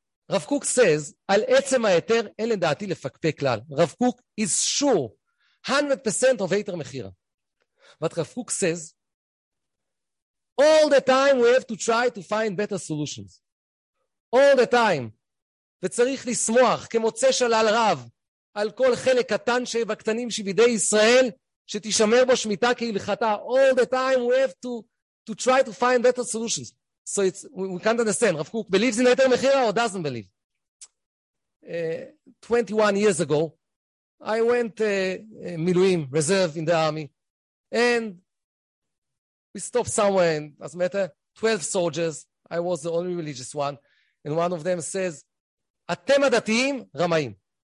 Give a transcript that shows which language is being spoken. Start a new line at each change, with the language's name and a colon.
English: Rav Kook says,
Hebrew: Al etzem ha'eter, en ledaati lefakpe klal.
English: Rav Kook is sure, 100% of Heiter Mechira. But Rav Kook says, all the time we have to try to find better solutions. All the time.
Hebrew: וצריך לסמוח כמוצא שלל רב על כל חלק קטן שבקטנים שבידי ישראל שתשמר בו שמיטה כהלכתה.
English: All the time we have to try to find better solutions. So it's, we can't understand. Rav Kook believes in Heiter Mechira or doesn't believe? 21 years ago, I went Miluim, reserve in the army, and we stopped somewhere, and as a matter, 12 soldiers, I was the only religious one, and one of them says,
Hebrew: Atem adatiim ramayim.